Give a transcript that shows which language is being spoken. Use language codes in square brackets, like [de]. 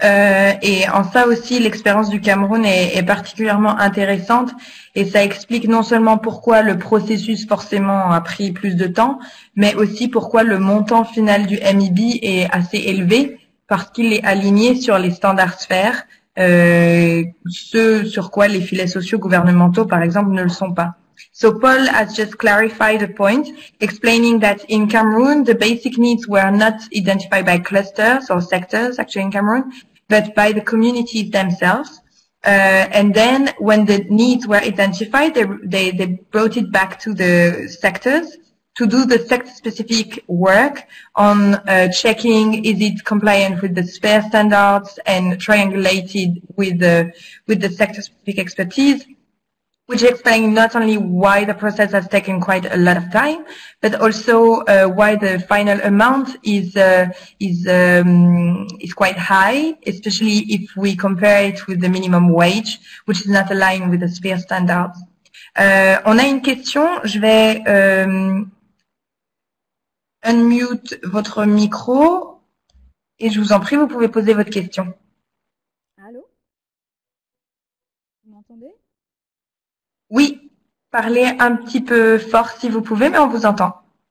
[fr] Et en ça aussi, l'expérience du Cameroun est particulièrement intéressante et ça explique non seulement pourquoi le processus forcément a pris plus de temps, mais aussi pourquoi le montant final du MIB est assez élevé, parce qu'il est aligné sur les standards sphères, ceux sur quoi les filets sociaux gouvernementaux, par exemple, ne le sont pas. [en] So Paul has just clarified the point, explaining that in Cameroon, the basic needs were not identified by clusters or sectors, actually in Cameroon, but by the communities themselves. And then when the needs were identified, they brought it back to the sectors to do the sector-specific work on checking is it compliant with the sphere standards and triangulated with the sector-specific expertise. Which explains not only why the process has taken quite a lot of time, but also why the final amount is quite high, especially if we compare it with the minimum wage, which is not aligned with the sphere standards. [fr] On a une question. Je vais unmute votre micro et je vous en prie, vous pouvez poser votre question. Allô? Vous m'entendez? Oui, parlez un petit peu fort si vous pouvez, mais on vous entend.